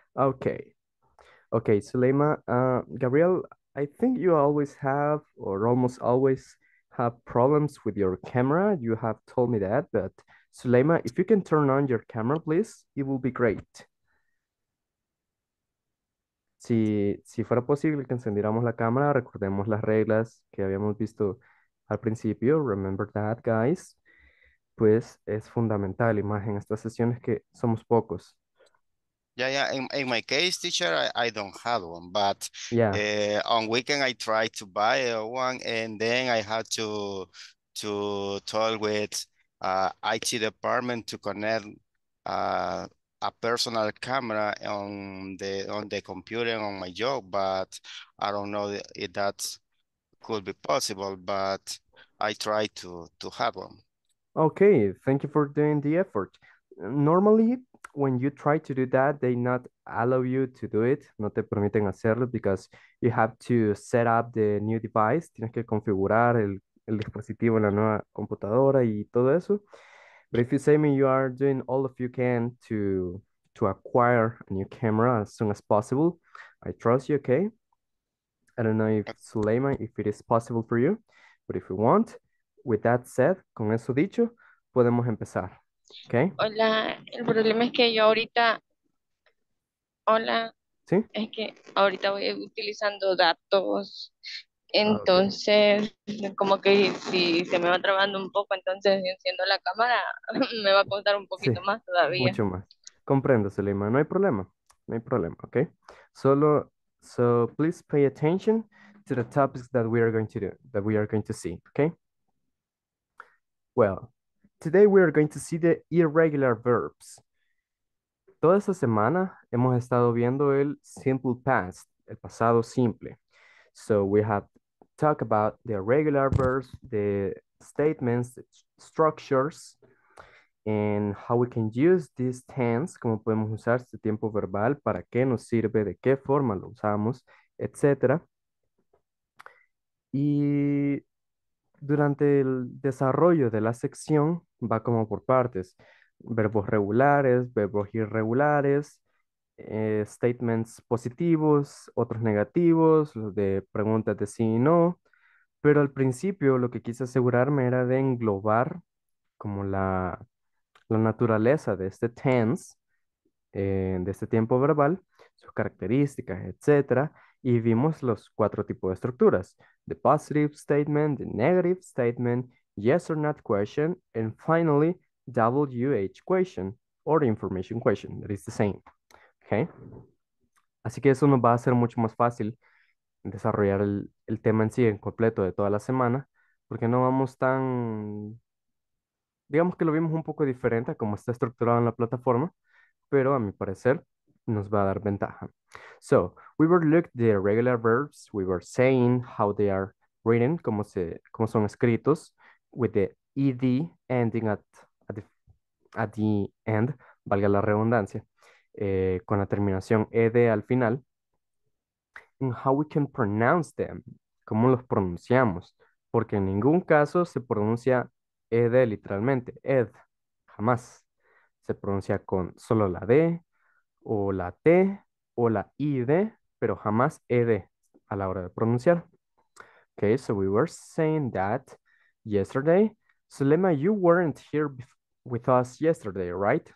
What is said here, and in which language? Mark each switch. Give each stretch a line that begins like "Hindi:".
English: Okay, Suleyma, Gabriel, I think you always have or almost always have problems with your camera. You have told me that, but Suleyma, if you can turn on your camera, please, it will be great.
Spanish: Si fuera posible que encendiéramos la cámara, recordemos las reglas que habíamos visto al principio.
English: Remember that, guys.
Spanish: Pues es fundamental, y más en estas sesiones que somos pocos.
English: Yeah. In my case, teacher, I don't have one, but Yeah. on weekend I try to buy one, and then I have to talk with IT department to connect a personal camera on the computer on my job. But I don't know if that could be possible, but I try to have one. Okay, thank you for doing the effort. Normally, when you try to do that, they not allow you to do it,
Spanish: no te permiten hacerlo,
English: because you have to set up the new device,
Spanish: tienes que configurar el dispositivo en la nueva computadora y todo eso.
English: But if you say me you are doing all of you can to acquire a new camera as soon as possible, I trust you, okay? I don't know if Suleiman, if it is possible for you, but if you want, with that said,
Spanish: con eso dicho, podemos empezar,
English: okay?
Spanish: Hola, el problema es que yo ahorita, hola, ¿sí? Es que ahorita voy utilizando datos, entonces, okay. Como que si se me va trabando un poco, entonces enciendo la cámara, me va a costar un poquito sí, más todavía. Mucho más. Comprendo, Suleiman, no hay problema, no hay problema, okay? Solo...
English: So please pay attention to the topics that we are going to do, that we are going to see, okay? Well, today we are going to see the irregular verbs.
Spanish: Toda esta semana hemos estado viendo el simple past, el pasado simple.
English: So we have talked about the irregular verbs, the statements, the structures, and how we can use this tense,
Spanish: cómo podemos usar este tiempo verbal, para qué nos sirve, de qué forma lo usamos,
English: etc.
Spanish: Y durante el desarrollo de la sección, va como por partes. Verbos regulares, verbos irregulares, statements positivos, otros negativos, los de preguntas de sí y no. Pero al principio lo que quise asegurarme era de englobar como la naturaleza de este tense, de este tiempo verbal, sus características, etc. Y vimos los cuatro tipos de estructuras.
English: The positive statement, the negative statement, yes or not question, and finally, WH question, or information question, that is the same. Okay?
Spanish: Así que eso nos va a hacer mucho más fácil desarrollar el tema en sí, en completo, de toda la semana, porque no vamos tan... Digamos que lo vimos un poco diferente a cómo está estructurado en la plataforma, pero a mi parecer nos va a dar ventaja.
English: So, we were looking at the irregular verbs, we were saying how they are written,
Spanish: cómo son escritos,
English: with the ED ending at the end,
Spanish: valga la redundancia, con la terminación ED al final,
English: and how we can pronounce them,
Spanish: cómo los pronunciamos, porque en ningún caso se pronuncia ED literalmente, ed, jamás. Se pronuncia con solo la D, o la T, o la ID, pero jamás ED a la hora de pronunciar.
English: Okay, so we were saying that yesterday. Suleiman, you weren't here with us yesterday, right?